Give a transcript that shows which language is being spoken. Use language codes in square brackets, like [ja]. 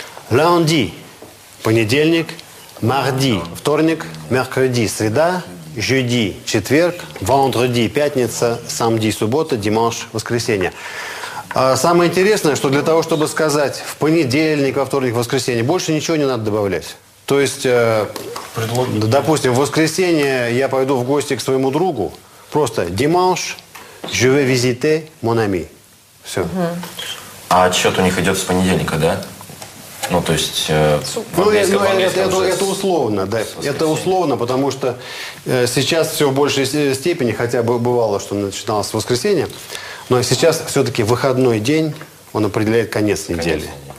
[ru] «Lundi» – понедельник, «mardi» – вторник, «mercredi» – среда, «jeudi» – четверг, «vendredi» – пятница, «samedi» – суббота, «димаш» – воскресенье. Самое интересное, что для того, чтобы сказать в понедельник, во вторник, в воскресенье, больше ничего не надо добавлять. То есть, допустим, в воскресенье я пойду в гости к своему другу. Просто [fr] «Dimanche, je vais visiter mon ami». [ru] Все. А отсчет у них идет с понедельника, да? Ну, то есть... Это условно, да. Это условно, потому что сейчас все в большей степени, хотя бы бывало, что начиналось с воскресенья, но сейчас все-таки выходной день, он определяет конец недели.